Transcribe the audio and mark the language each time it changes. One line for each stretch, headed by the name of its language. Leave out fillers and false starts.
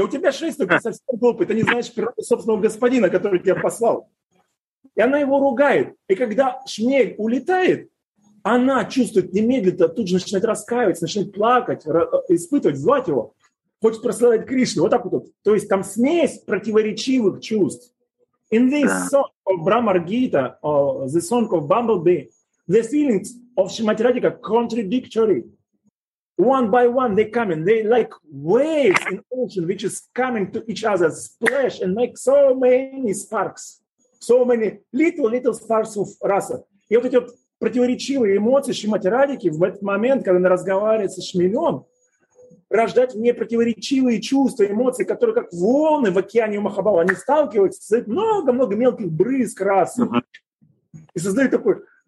Russian: А у тебя 6 ног, ты совсем глупый. Ты не знаешь природу собственного господина, который тебя послал. И она его ругает. И когда шмель улетает, она чувствует немедленно, тут же начинает раскаиваться, начинает плакать, испытывать, звать его. Хочет прославить Кришну. Вот так вот. То есть там смесь противоречивых чувств.
English: In this song of Brahmar Gita, or the song of Bumblebee, the feelings of Srimati Radhika are contradictory. One by one, they come in. They like waves in ocean, which is coming to each other, splash, and make so many sparks. So many little sparks of rasa.
Russian: И вот эти вот противоречивые эмоции Шримати Радики в этот момент, когда она разговаривает со шмелем, рождают в ней противоречивые чувства, эмоции, которые как волны в океане Махабхава. Они сталкиваются, создают много-много мелких брызг расы. И создают такой...